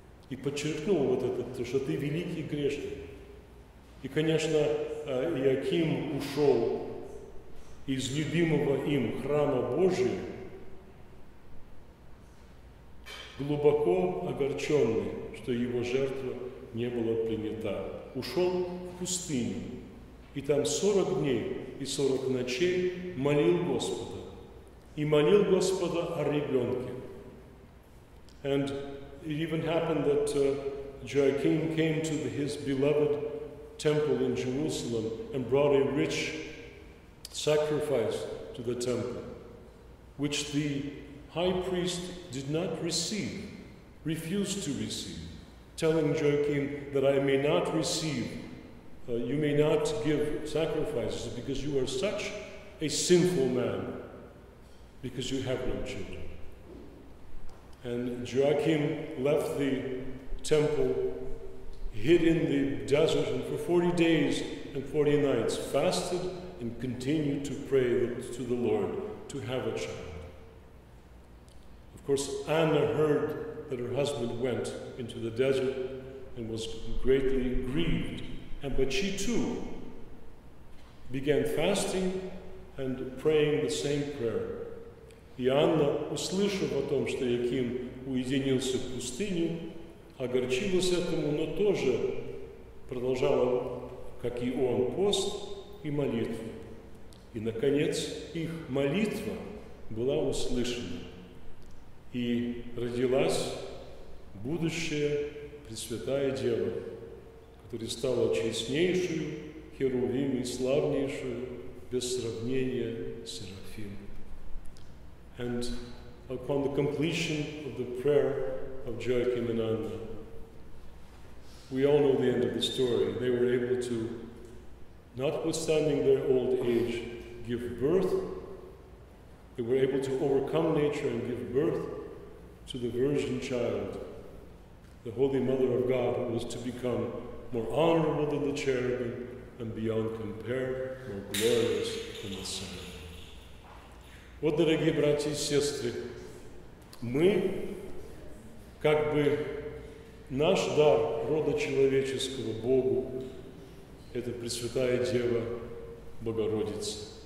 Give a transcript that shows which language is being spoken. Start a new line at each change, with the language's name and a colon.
Russian: И подчеркнул вот это, что ты великий грешник. И, конечно, Иоаким ушел из любимого им храма Божия, глубоко огорченный, что его жертва не была принята. Ушел в пустыню, и там 40 дней и 40 ночей молил Господа. И молил Господа о ребенке.
English: And it even happened that Joachim came to his beloved temple in Jerusalem and brought a rich sacrifice to the temple, which the high priest did not receive, refused to receive, telling Joachim that I may not receive, you may not give sacrifices because you are such a sinful man, because you have no children. And Joachim left the temple, hid in the desert, and for 40 days and 40 nights fasted and continued to pray to the Lord to have a child. Of course, Anna heard that her husband went into the desert and was greatly grieved. But she too began fasting and praying the same prayer.
Russian: И Анна, услышав о том, что Иоаким уединился в пустыню, огорчилась этому, но тоже продолжала, как и он, пост и молитву. И, наконец, их молитва была услышана, и родилась будущая Пресвятая Дева, которая стала честнейшей, херувим и славнейшую без сравнения серафим.
English: And upon the completion of the prayer of Joachim and Anna, we all know the end of the story. They were able to, notwithstanding their old age, give birth. They were able to overcome nature and give birth to the virgin child, the Holy Mother of God, who was to become more honorable than the cherubim and beyond compare more glorious than the sun.
Russian: Вот, дорогие братья и сестры, мы, как бы, наш дар рода человеческого Богу – это Пресвятая Дева Богородица.